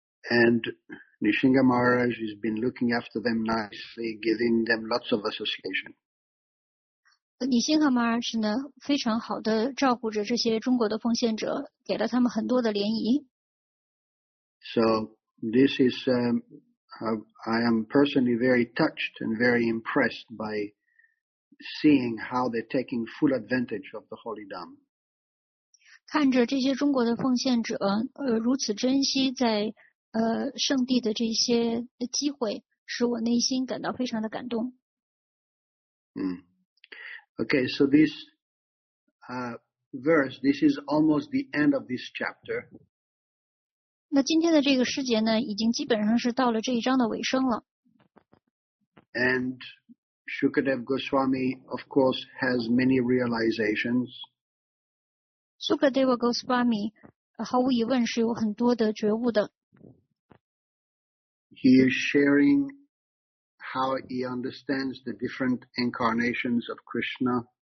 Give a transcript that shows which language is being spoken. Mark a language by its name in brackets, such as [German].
[English] And Nishinga Maharaj has been looking after them nicely, giving them lots of association. [Chinese] 李辛哈马尔什呢，非常好的照顾着这些中国的奉献者，给了他们很多的联谊。 [English] So this is, I am personally very touched and very impressed by seeing how they're taking full advantage of the Holy Dhamma. [Chinese] 看着这些中国的奉献者，如此珍惜在圣地的这些机会，使我内心感到非常的感动。 [English] Okay, so this verse, this is almost the end of this chapter. [Chinese] 那今天的这个师节呢，已经基本上是到了这一章的尾声了。 [English] And Shukadev Goswami, of course, has many realizations. [Chinese] Shukadev Goswami, 毫无疑问是有很多的觉悟的。 [English] He is sharing how he understands the different incarnations of Krishna.